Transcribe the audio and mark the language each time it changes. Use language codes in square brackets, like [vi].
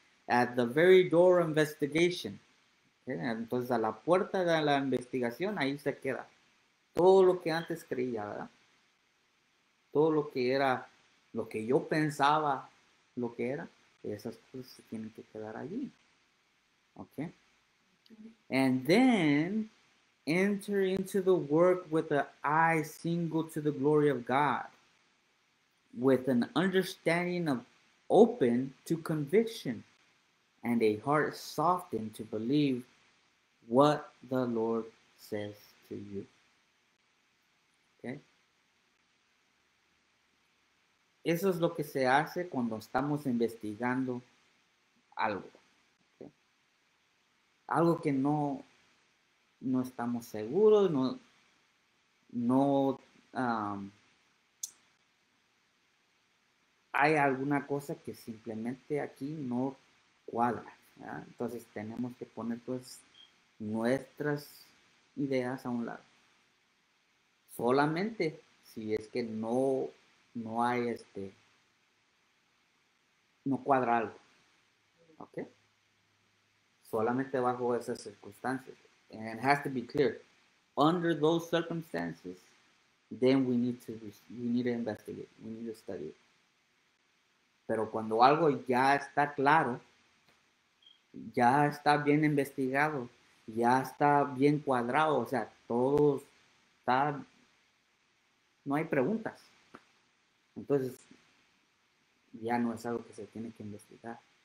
[en] At the very door investigation. Okay. [es] Entonces, a la puerta de la investigación, ahí se queda. Todo lo que antes creía, ¿verdad? Todo lo que era, lo que yo pensaba, lo que era, esas cosas se tienen que quedar allí. Okay. [en] And then, enter into the work with an eye single to the glory of God, with an understanding of open to conviction, and a heart softened to believe what the Lord says to you. Okay. [es] Eso es lo que se hace cuando estamos investigando algo. ¿Okay? Algo que no estamos seguros, no hay alguna cosa que simplemente aquí no cuadra. ¿Ya? Entonces tenemos que poner pues nuestras ideas a un lado. Solamente si es que no hay este, no cuadra algo, ¿ok? Solamente bajo esas circunstancias. [en] And it has to be clear. Under those circumstances, then we need to investigate, we need to study. [es] Pero cuando algo ya está claro, ya está bien investigado, ya está bien cuadrado, o sea, todo está, no hay preguntas. Entonces, ya no es algo que se tiene que investigar.